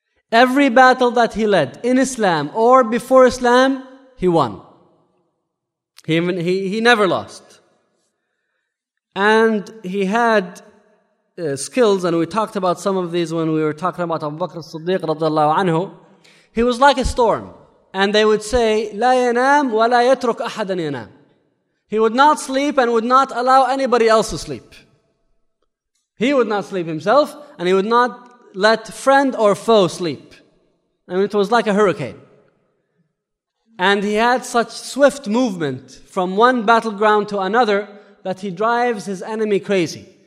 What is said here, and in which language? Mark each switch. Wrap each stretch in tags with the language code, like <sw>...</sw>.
<en>Every battle that he led in Islam or before Islam, he won. He never lost. And he had skills, and we talked about some of these when we were talking about Abu Bakr as-Siddiq radiallahu anhu. He was like a storm. And they would say,</en> <ar>لَا يَنَامْ وَلَا يَتْرُكْ أَحَدًا يَنَامْ.</ar> <en>He would not sleep and would not allow anybody else to sleep. He would not sleep himself, and he would not let friend or foe sleep. I mean, it was like a hurricane. And he had such swift movement from one battleground to another that he drives his enemy crazy.</en>